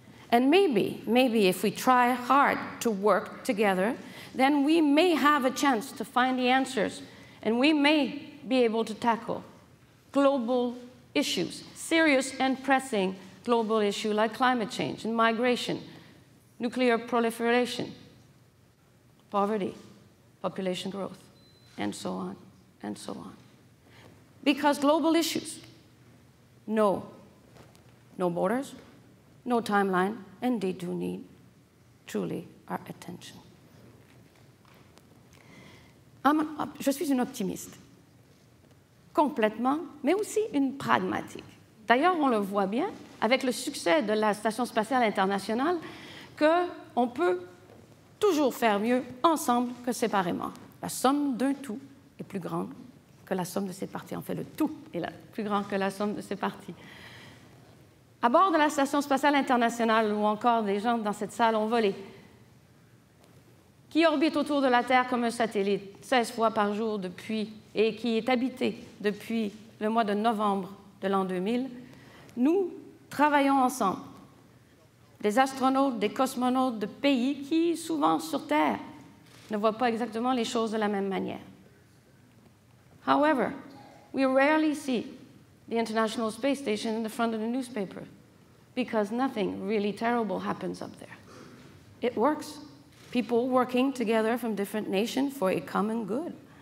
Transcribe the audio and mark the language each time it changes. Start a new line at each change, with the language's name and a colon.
English: And maybe if we try hard to work together, then we may have a chance to find the answers, and we may be able to tackle global issues, serious and pressing global issues like climate change and migration, nuclear proliferation, poverty, population growth, and so on, and so on. Because global issues, no borders, no timeline, and they do need truly our attention.
French: Je suis une optimiste, complètement, mais aussi une pragmatique. D'ailleurs, on le voit bien avec le succès de la Station spatiale internationale qu'on peut toujours faire mieux ensemble que séparément. La somme d'un tout est plus grande que la somme de ses parties. En fait, le tout est plus grand que la somme de ses parties. À bord de la Station spatiale internationale, ou encore des gens dans cette salle ont volé, qui orbite autour de la Terre comme un satellite 16 fois par jour depuis, et qui est habité depuis le mois de novembre de l'an 2000, nous travaillons ensemble. Des astronautes, des cosmonautes de pays qui, souvent sur Terre, ne voient pas exactement les choses de la même manière.
English: However, we rarely see the International Space Station in the front of the newspaper because nothing really terrible happens up there. It works. People working together from different nations for a common good.